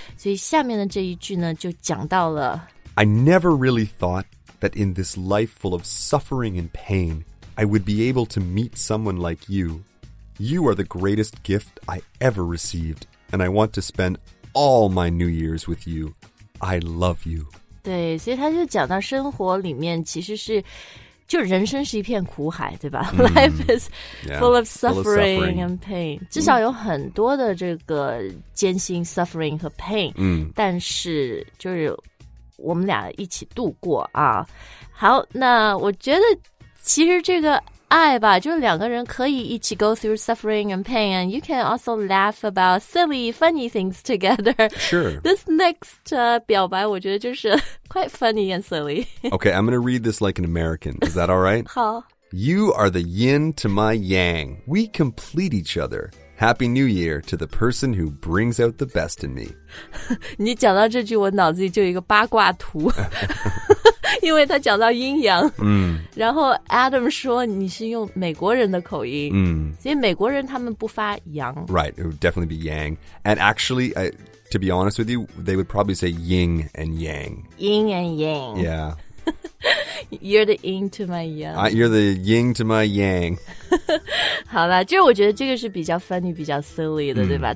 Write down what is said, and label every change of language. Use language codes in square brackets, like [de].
[zh] 所以下面的这一句呢就讲到了 [en] I never really thought that in this life full of suffering and pain, I would be able to meet someone like you. You are the greatest gift I ever received, and I want to spend all my New Year's with you. I love you. [zh] 对，所以他就讲到生活里面其实是，就人生是一片苦海，对吧？ [en] Life is full of suffering and pain. [zh] 至少有很多的这个艰辛 suffering 和 pain. 但是就是我们俩一起度过啊。好，那我觉得其实这个爱吧，就是两个人可以一起 [en] go through suffering and pain, and you can also laugh about silly, funny things together. Sure. This next [zh] 表白我觉得就是 [en] quite funny and silly. Okay, I'm going to read this like an American. Is that all right? [zh] 好。 [en] You are the yin to my yang. We complete each other. Happy New Year to the person who brings out the best in me. [zh] 你讲到这句我脑子里就有一个八卦图。因为他讲到阴阳然后 Adam 说你是用美国人的口音所以美国人他们不发阳 [en] Right, it would definitely be yang. And actually, to be honest with you, they would probably say yin and yang. Yin and yang. Yeah. You're the yin to my yang. You're the yin to my yang. [zh] 好啦，就是我觉得这个是比较 funny, 比较 silly 的对吧？